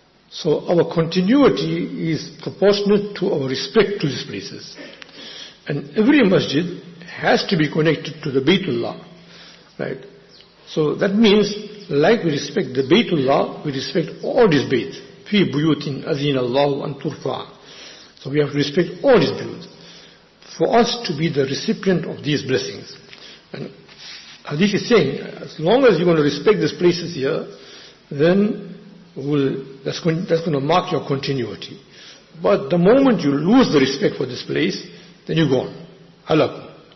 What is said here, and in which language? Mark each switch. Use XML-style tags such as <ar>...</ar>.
<en>So our continuity is proportionate to our respect to these places. And every masjid has to be connected to the Baytullah. Right? So that means, like we respect the Baytullah, we respect all these Bayt.</en> <ar>فِي بُيُوتٍ أَذِينَ اللَّهُ أَن تُرْفَعَ.</ar> <en>So we have to respect all these Bayt. For us to be the recipient of these blessings. And hadith is saying, as long as you're going to respect these places here, then that's going to mark your continuity. But the moment you lose the respect for this place, then you're gone. Halak.</en>